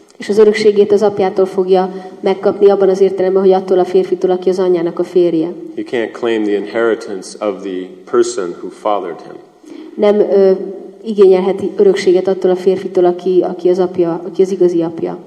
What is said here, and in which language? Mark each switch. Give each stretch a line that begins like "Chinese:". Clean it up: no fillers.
Hungarian: És az örökségét az apjától fogja megkapni abban az értelemben, hogy attól a férfitől, aki az anyjának a férje.
English: He can't claim the inheritance of the person who fathered him.
Hungarian: Nem igényelheti örökséget attól a férfitől, aki az apja, aki az igazi apja.